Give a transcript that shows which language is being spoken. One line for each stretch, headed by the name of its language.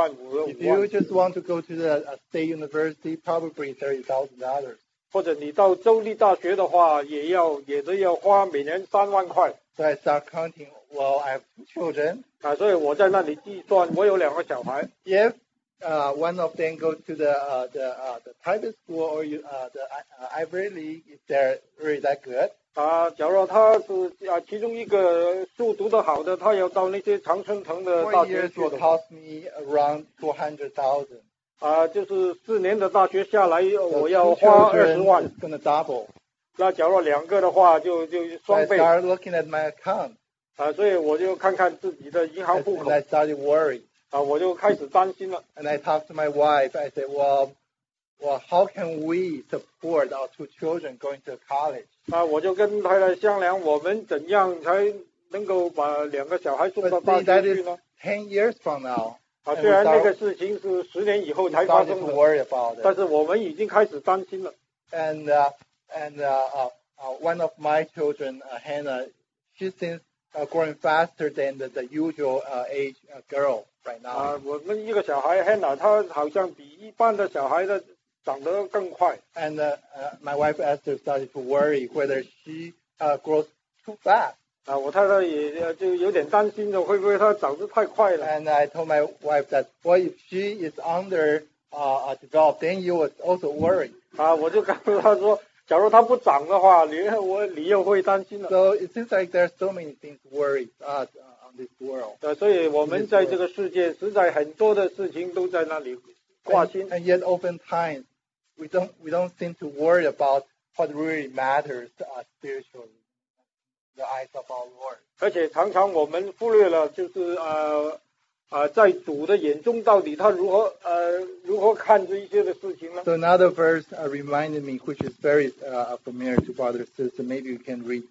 English: If you just want to go to the state university, probably $30,000.
Chinese: 或者你到州立大学的话，也要花每年$30,000.
English: So I start counting. Well, I have two children.
Chinese: 所以我在那里计算，我有两个小孩。
English: Yes. One of them goes to the private school or the Ivy League. Is there really that good?
Chinese: 假如他是其中一个书读得好的，他要到那些常春藤的大学做的。
English: Four years cost me around $200,000.
Chinese: 就是四年的大学下来，我要花$200,000.
English: It's going to double.
Chinese: 那假如两个的话，就双倍。
English: I start looking at my account.
Chinese: 所以我就看看自己的银行户口。
English: I started worrying.
Chinese: 我就开始担心了。
English: And I talked to my wife. I said, well, how can we support our two children going to college?
Chinese: 我就跟太太商量，我们怎样才能够把两个小孩送到大学去呢
English: ？10 years from now.
Chinese: 虽然那个事情是十年以后才发生的
English: ，worry about it.
Chinese: 但是我们已经开始担心了。
English: And one of my children, Hannah, she seems growing faster than the usual age girl. Right now.
Chinese: 我们一个小孩 Hannah 她好像比一般的小孩的长得更快。
English: And my wife Esther started to worry whether she grows too fast.
Chinese: 我太太也就有点担心了，会不会她长得太快了
English: ？And I told my wife that, well, if she is under developed, then you would also worry.
Chinese: 我就告诉她说，假如她不长的话，你又会担心了。
English: So it seems like there are so many things worried on this world.
Chinese: 所以我们在这个世界实在很多的事情都在那里挂心。
English: And yet oftentimes, we don't seem to worry about what really matters spiritually. The eyes of our Lord. So another verse reminded me, which is very familiar to brother and sister, maybe you can read.